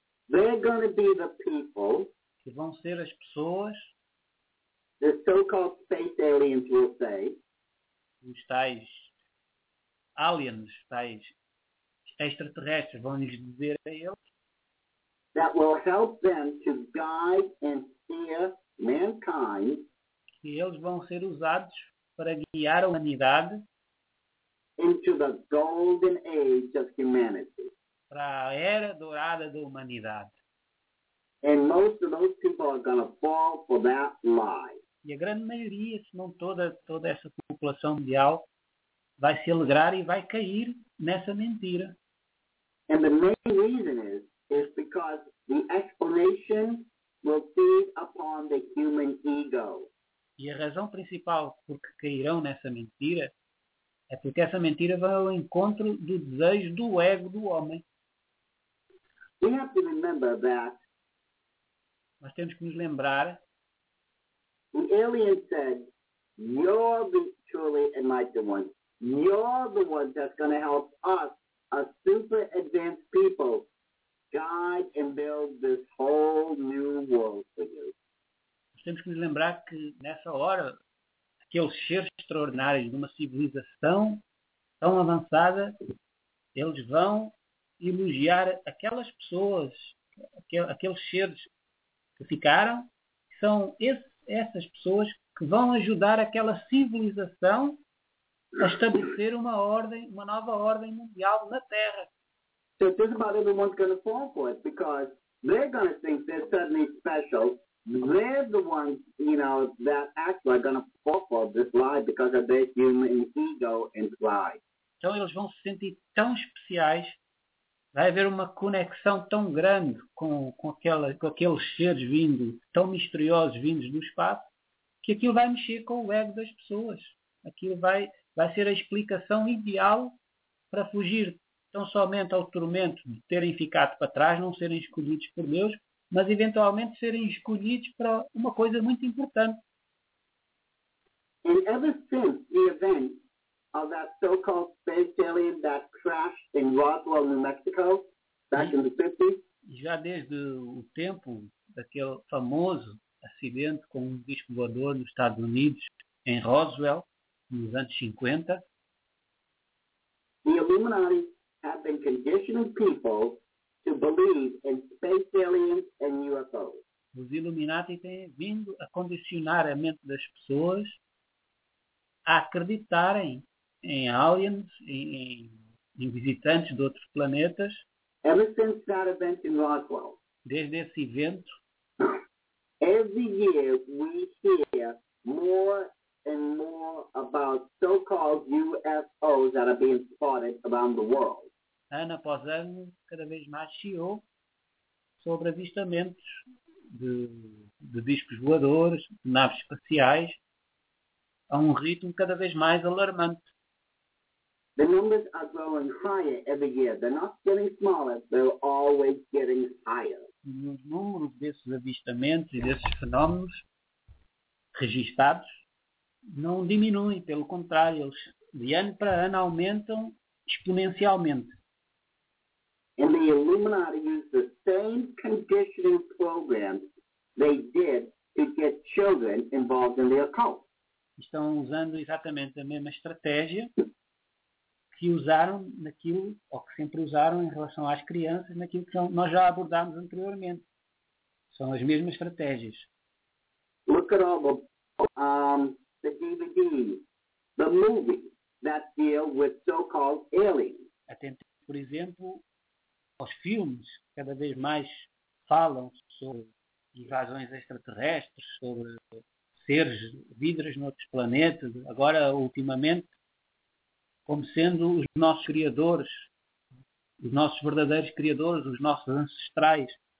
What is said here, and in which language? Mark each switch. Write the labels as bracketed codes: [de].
[en] They're going to be the people, [pt] que vão ser as pessoas, [en] the so-called space aliens will say, [pt] os tais aliens, tais extraterrestres, vão lhes dizer a eles, [en] that will help them to guide and steer mankind, [pt] que eles vão ser usados para guiar a humanidade, [en] into the golden age of humanity, [pt] para a era dourada da humanidade. [en] And most of those people are going to fall for that lie. [pt] E a grande maioria, se não toda essa população mundial, vai se alegrar e vai cair nessa mentira. [en] And the main reason is because the explanation will feed upon the human ego. [pt] E a razão principal por que cairão nessa mentira é porque essa mentira vai ao encontro do desejo do ego do homem. [en] We have to remember that. [pt] Nós temos que nos lembrar. [en] The alien said, you're the truly enlightened ones. You're the ones that's going to help us, a super advanced people, guide and build this whole new world for you. [pt] Nós temos que nos lembrar que nessa hora, aqueles seres extraordinários de uma civilização tão avançada, eles vão elogiar aquelas pessoas, aqueles seres que ficaram, são essas pessoas que vão ajudar aquela civilização a estabelecer uma ordem, uma nova ordem mundial na Terra. [en] So just about everyone's going to fall for it because they're going to think they're suddenly special. They're the ones, you know, that actually are going to fall for this lie because of their human ego and pride. [pt] Então eles vão se sentir tão especiais. Vai haver uma conexão tão grande com aqueles seres vindos, tão misteriosos vindos do espaço, que aquilo vai mexer com o ego das pessoas. Aquilo vai ser a explicação ideal para fugir tão somente ao tormento de terem ficado para trás, não serem escolhidos por Deus, mas eventualmente serem escolhidos para uma coisa muito importante. [en] And ever since the event of that so-called space alien that crashed in Roswell, New Mexico, back in the 50s. [pt] Já desde o tempo daquele famoso acidente com um disco voador nos Estados Unidos, em Roswell, nos anos 50. [en] The Illuminati have been conditioning people to believe in space aliens and UFOs. [pt] Os Illuminati têm vindo a condicionar a mente das pessoas a acreditarem em aliens, em visitantes de outros planetas. [en] Ever since that event in Roswell, [pt] desde esse evento, [en] every year we hear more and more about so-called UFOs that are being spotted around the world. [pt] Ano após ano, cada vez mais se ouve sobre avistamentos de discos voadores, de naves espaciais, a um ritmo cada vez mais alarmante. [en] The numbers are growing higher every year. They're not getting smaller, they're always getting higher. [pt] Os números desses avistamentos e desses fenómenos registados não diminuem, pelo contrário, eles de ano para ano aumentam exponencialmente. [en] And the Illuminati use the same conditioning program they did to get children involved in the occult. [pt] Estão usando exatamente a mesma estratégia que usaram naquilo, ou que sempre usaram em relação às crianças, naquilo que nós já abordámos anteriormente. São as mesmas estratégias. [en] Look at all the DVDs, the movies that deal with so-called aliens. [pt] Atente, por exemplo, aos filmes que cada vez mais falam sobre invasões extraterrestres, sobre seres vidras noutros planetas, agora, ultimamente, como sendo os nossos criadores, os nossos verdadeiros criadores, os nossos ancestrais.